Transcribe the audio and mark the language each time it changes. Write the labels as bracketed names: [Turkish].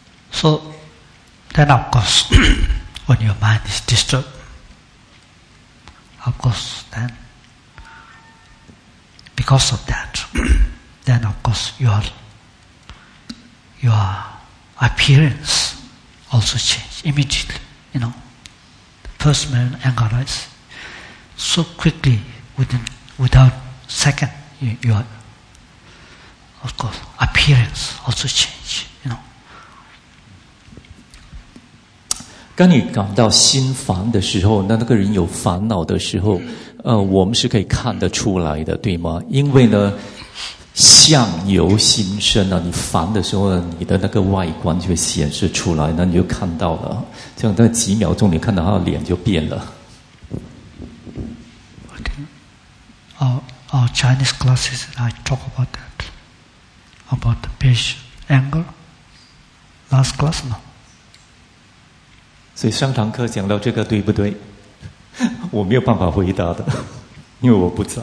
[English] So, then of course, when your mind is disturbed, of course, then, because of that, then of course, your appearance also changes immediately. You know, first man anger arises so quickly without second, your of course appearance also change. You know, [Chinese] 当你感到心烦的时候，那个人有烦恼的时候，我们是可以看得出来的，对吗？因为呢，相由心生啊，你烦的时候呢，你的那个外观就会显示出来，那你就看到了。这样在几秒钟，你看到他的脸就变了。 [English] Okay. Our Chinese classes, I talk about that, about the patient anger. Last class, no. [Chinese] 所以上堂课讲到这个对不对？我没有办法回答的，因为我不在。